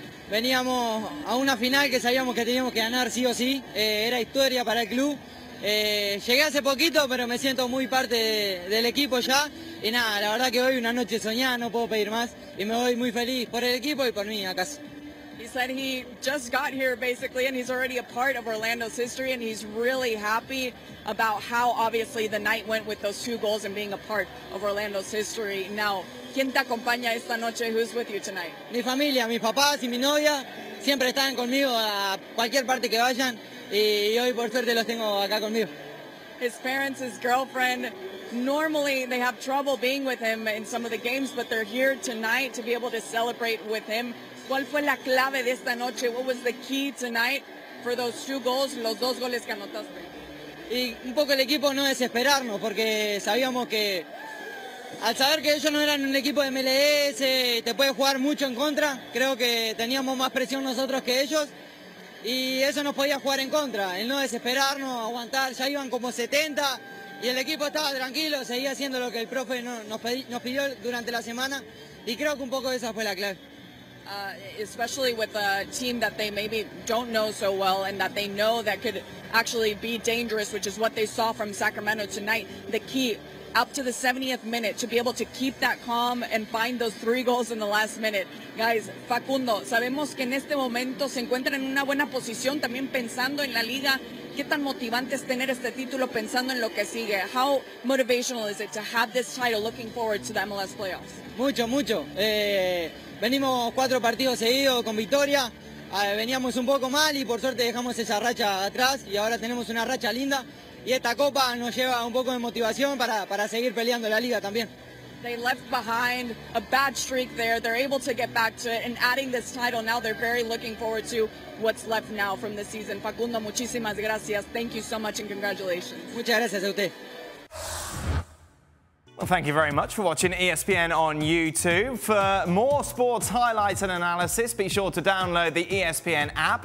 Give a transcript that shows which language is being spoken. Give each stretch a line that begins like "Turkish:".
Spanish: Veníamos a una final que sabíamos que teníamos que ganar sí o sí. Era historia para el club. Llegué hace poquito, pero me siento muy parte del equipo ya. Y nada, la verdad que hoy una noche soñada, no puedo pedir más. Y me voy muy feliz por el equipo y por mí, acaso.
English: He said he just got here, basically, and he's already a part of Orlando's history, and he's really happy about how, obviously, the night went with those two goals and being a part of Orlando's history. Now,
Spanish: ¿quién te acompaña esta noche?
English: Who's with you tonight?
Spanish: Mi familia, mis papás y mi novia siempre están conmigo a cualquier parte que vayan, y hoy, por suerte, los tengo acá conmigo.
English: His parents, his girlfriend, normally they have trouble being with him in some of the games, but they're here tonight to be able to celebrate with him.
Spanish: ¿Cuál fue la clave de esta noche?
English: What was the key tonight for those two goals,
Spanish: los dos goles que anotaste? Y un poco el equipo no desesperarnos, porque sabíamos que al saber que ellos no eran un equipo de MLS, te puede jugar mucho en contra, creo que teníamos más presión nosotros que ellos, y eso nos podía jugar en contra, el no desesperarnos, aguantar, ya iban como 70, y el equipo estaba tranquilo, seguía haciendo lo que el profe nos pidió durante la semana, y creo que un poco esa fue la clave.
English: Especially with a team that they maybe don't know so well and that they know that could actually be dangerous, which is what they saw from Sacramento tonight. The key, up to the 70th minute, to be able to keep that calm and find those three goals in the last minute.
Spanish: Guys, Facundo, sabemos que en este momento se encuentran en una buena posición, también pensando en la liga. ¿Qué tan motivante es tener este título pensando en lo que sigue?
English: How motivational is it to have this title looking forward to the MLS playoffs?
Spanish: Mucho, mucho. Venimos cuatro partidos seguidos con victoria, veníamos un poco mal y por suerte dejamos esa racha atrás y ahora tenemos una racha linda y esta copa nos lleva un poco de motivación para seguir peleando la liga también.
English: They left behind a bad streak there, they're able to get back to it and adding this title now they're very looking forward to what's left now from the season. Facundo,
Spanish: muchísimas gracias,
English: thank you so much and congratulations.
Spanish: Muchas gracias a usted.
English: Well, thank you very much for watching ESPN on YouTube. For more sports highlights and analysis, be sure to download the ESPN app.